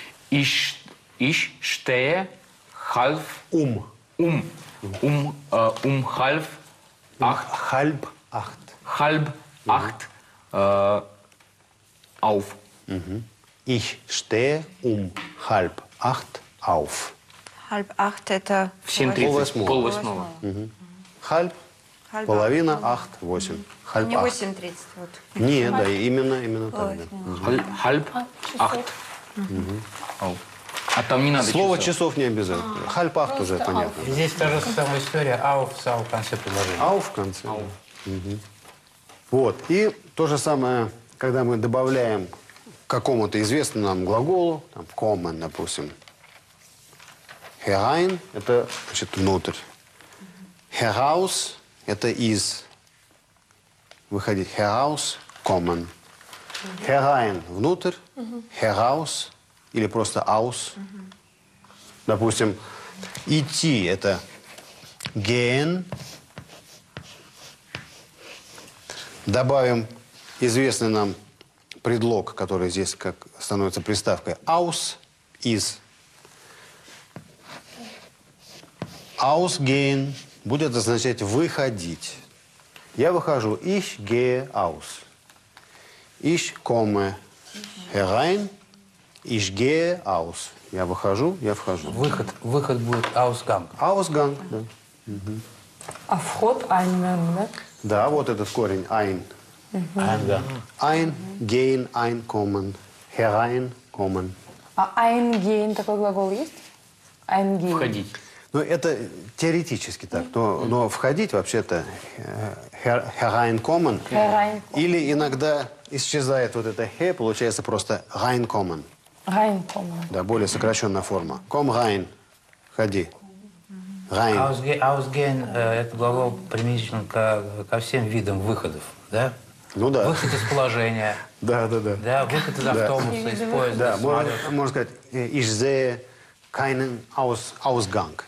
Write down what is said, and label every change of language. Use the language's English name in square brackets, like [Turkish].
[German] Ich stehe half half acht. Halb acht. Halb acht auf. Mhm. Ich stehe halb acht auf. Halb acht – это [Russian] полвосьмого. Halb – половина, acht – восемь. Не 8.30. Не, да, именно так. Halb acht. А там не надо. Слово часов не обязательно. Halb acht уже понятно. Здесь та же самая история. Auf в конце предложения. Auf в конце. Вот. И то же самое, когда мы добавляем к какому-то известному нам глаголу, там kommen, допустим. Herein – это значит внутрь. Heraus – это из. [German] Выходить heraus, kommen. [Russian] Herein – внутрь, heraus или просто aus. Допустим, идти – это gehen. Добавим известный нам предлог, который здесь как становится приставкой aus, из. Ausgehen будет означать выходить. Я выхожу. [German] Ich gehe aus. Ich komme. herein, ich gehe aus. [Russian] Я выхожу, я вхожу. Выход, выход будет ausgang. [German] Ausgang, да. [Russian] А вход einnehmen, да? Да, вот этот корень, ein. [German] Ein, gehen, einkommen, herein, kommen. [Russian] А eingehen, такой глагол есть? [German] Eingehen. [Russian] Входить. Ну, это теоретически так, но входить вообще-то hereinkommen. Или иногда исчезает вот это he, получается просто reinkommen. [German] Reinkommen. [Russian] Да, более сокращенная форма. [German] Komm rein, входи. Rein. [Russian] Ausgehen, это глагол применительно ко всем видам выходов, да? Ну да. Выход из положения. Да, да, да. Да, выход из автобуса, из поезда. Да, можно сказать, [German] ich sehe keinen Ausgang.